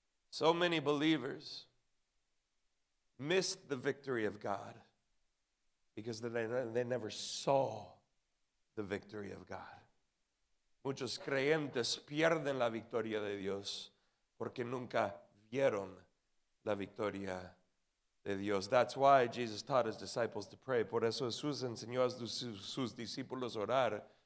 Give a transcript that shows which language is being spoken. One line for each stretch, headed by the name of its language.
English: So many believers missed the victory of God because they never saw the victory of God.
Spanish: Muchos creyentes pierden la victoria de Dios porque nunca vieron la victoria de Dios.
English: That's why Jesus taught his disciples to pray.
Spanish: Por eso Jesús enseñó a sus discípulos a orar.